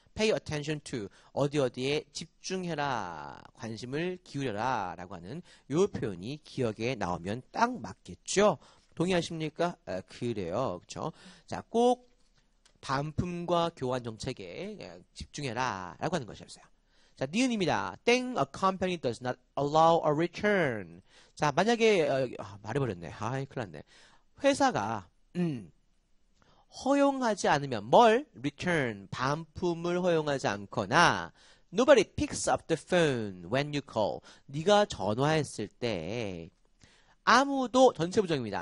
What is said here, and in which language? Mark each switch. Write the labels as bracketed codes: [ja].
[en] Pay attention to [ko] 어디 어디에 집중해라, 관심을 기울여라라고 하는 이 표현이 기억에 나오면 딱 맞겠죠. 동의하십니까? 아, 그래요, 그렇죠. 자, 꼭 반품과 교환 정책에 집중해라라고 하는 것이었어요. 자, 니은입니다. [en] Think a company does not allow a return. [ko] 자, 만약에 말해버렸네. 아이, 큰일 났네. 회사가 허용하지 않으면 뭘? [en] return, [ko] 반품을 허용하지 않거나 [en] nobody picks up the phone when you call. [ko] 네가 전화했을 때 아무도, 전체 부정입니다.